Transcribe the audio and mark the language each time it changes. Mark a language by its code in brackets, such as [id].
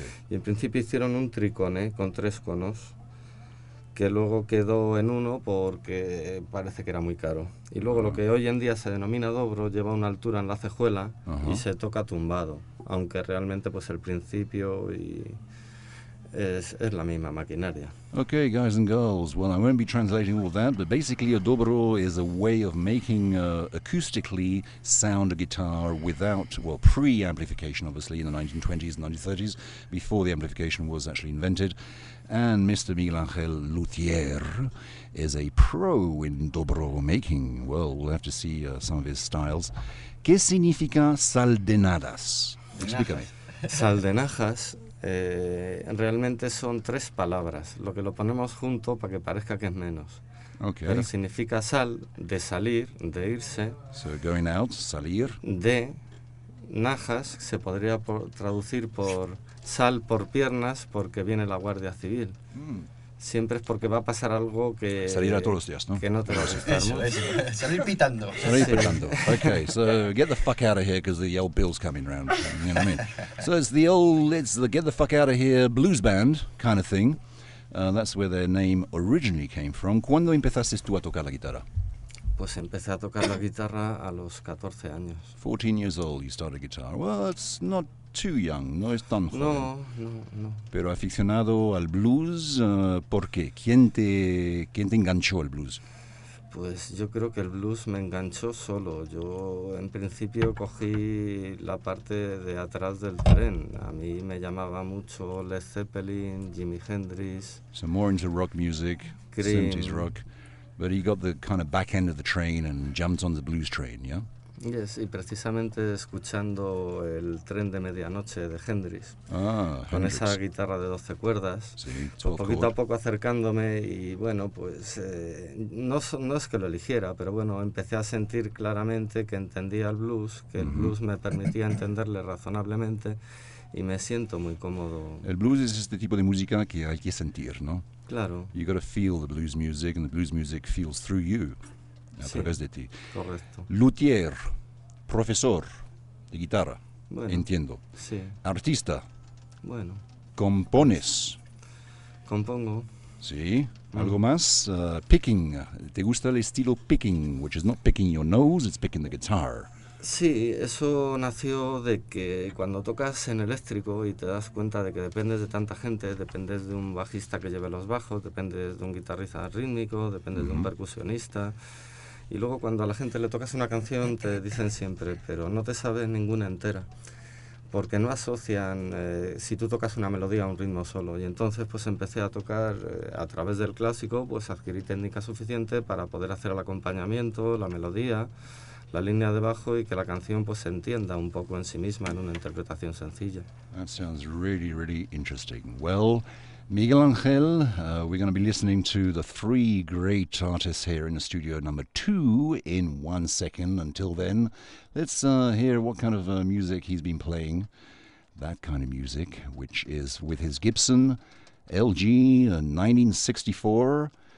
[es] Y en principio hicieron un trícone con tres conos, que luego quedó en uno porque parece que era muy caro. Y luego lo que hoy en día se denomina dobro lleva una altura en la cejuela y se toca tumbado, aunque realmente pues el principio y... Es la misma maquinaria. [en] Okay, guys and girls, well, I won't be translating all that, but basically a dobro is a way of making acoustically sound a guitar without, well, pre-amplification, obviously, in the 1920s and 1930s, before the amplification was actually invented. And Mr. Miguel Angel Luthier is a pro in dobro making. Well, we'll have to see some of his styles. [es] ¿Qué significa sal de nadas? Explica me. Sal de najas. Realmente son tres palabras, lo que lo ponemos junto para que parezca que es menos. Okay. Pero significa sal, de salir, de irse. [en] So going out, salir. [es] De najas, se podría traducir por sal por piernas porque viene la Guardia Civil. Siempre es porque va a pasar algo que... Salir a todos los días, ¿no? Que no te va a asustar. Salir pitando. Salir pitando. [en] Okay, so get the fuck out of here because the old bill's coming around. You know what I mean? So it's the get the fuck out of here blues band kind of thing. That's where their name originally came from. [es] ¿Cuándo empezaste tú a tocar la guitarra? Pues empecé a tocar la guitarra a los 14 años. [en] 14 years old you started guitar. Well, it's not... too young, [es] no es tan joven. No. Pero aficionado al blues, ¿por qué? ¿Quién te enganchó el blues? Pues yo creo que el blues me enganchó solo. Yo en principio cogí la parte de atrás del tren. A mí me llamaba mucho Led Zeppelin, Jimi Hendrix. [en] So more into rock music, Cream. 70s rock. But he got the kind of back end of the train and jumped on the blues train, yeah? [es] Yes, y precisamente escuchando el tren de medianoche de Hendrix, con esa guitarra de 12 cuerdas, poquito a poco acercándome y bueno, pues no es que lo eligiera, pero bueno, empecé a sentir claramente que entendía el blues, que el blues me permitía entenderle razonablemente y me siento muy cómodo. El blues es este tipo de música que hay que sentir, ¿no? Claro. [en] You gotta feel the blues music and the blues music feels through you. [es] A través sí, de ti. Correcto. Luthier, profesor de guitarra, bueno, entiendo. Sí. Artista. Bueno. Compones. Compongo. Sí. ¿Algo más? Picking. ¿Te gusta el estilo picking? [en] Which is not picking your nose, it's picking the guitar. [es] Sí, eso nació de que cuando tocas en eléctrico y te das cuenta de que dependes de tanta gente, dependes de un bajista que lleve los bajos, dependes de un guitarrista rítmico, dependes de un percusionista... Y luego cuando a la gente le tocas una canción te dicen siempre, pero no te sabes ninguna entera, porque no asocian si tú tocas una melodía a un ritmo solo. Y entonces pues empecé a tocar a través del clásico, pues adquirí técnica suficiente para poder hacer el acompañamiento, la melodía, la línea de bajo y que la canción pues se entienda un poco en sí misma en una interpretación sencilla. [en] That sounds really, really interesting. Well... Miguel Angel, we're going to be listening to the three great artists here in the studio number two in 1 second. Until then, let's hear what kind of music he's been playing. That kind of music, which is with his Gibson LG 1964.